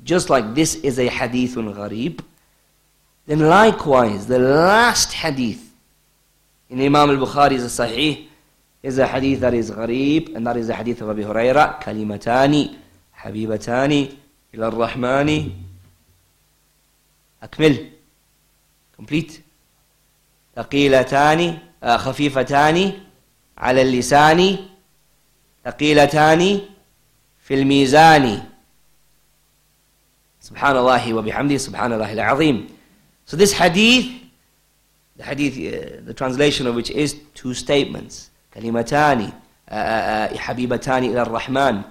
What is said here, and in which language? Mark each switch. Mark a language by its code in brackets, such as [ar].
[en] Just like this is a hadith on gharib, then likewise, the last hadith in Imam al-Bukhari is a sahih, is a hadith that is gharib, and that is a hadith of Abi Huraira, [ar] كَلِمَتَانِ حَبِيبَتَانِ إِلَى الرَّحْمَانِ. أكمل. [en] Complete. [ar] ثقيلتان خفيفتان على اللسان ثقيلتان في الميزان. سبحان الله وبحمده سبحان الله العظيم. [en] So this hadith, the hadith, the translation of which is two statements. [ar] كلمتان حبيبتان إلى الرحمن.